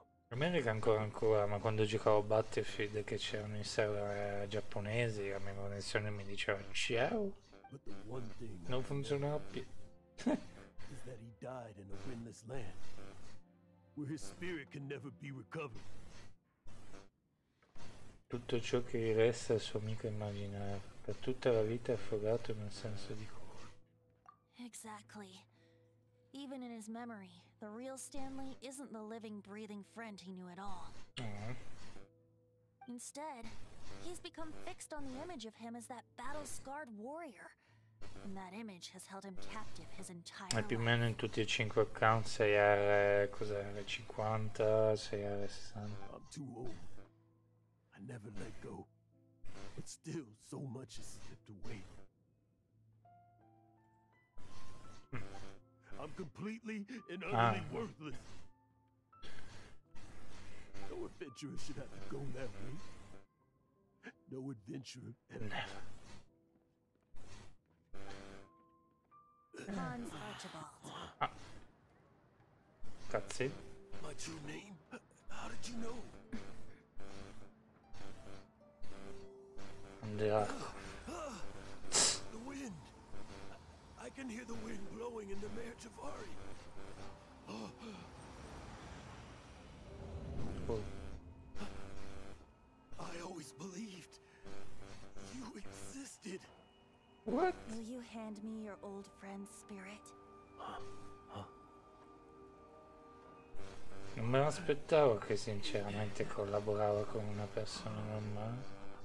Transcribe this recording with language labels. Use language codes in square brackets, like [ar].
[it] A me rega ancora, ma quando giocavo Battlefield che c'erano i server giapponesi, la mia connessione mi diceva ciao, non funzionava più. [en] Is that he died in a windless land where his spirit can never be recovered. [it] Tutto ciò che gli resta è il suo amico immaginario, per tutta la vita affogato in un senso di cuore. [en] Exactly. Even in his memory, the real Stanley isn't the living, breathing friend he knew at all. Instead, he's become fixed on the image of him as that battle-scarred warrior. And that image has held him captive his entire life. [it] E più o meno in tutti e cinque account, 6 ore, cos'era, 50, 6 ore, 60. [en] I'm too old. I never let go. But still, so much is slipped away. I'm completely and utterly worthless. No adventurer should have to go that way. No adventurer ever. Hans Archibald. That's it. My true name? How did you know? The wind. I can hear the wind blowing in the Mare Tavari. I always believed you existed. What? Will you hand me your old friend's spirit? [it] Non me l'aspettavo che sinceramente collaborava con una persona normale.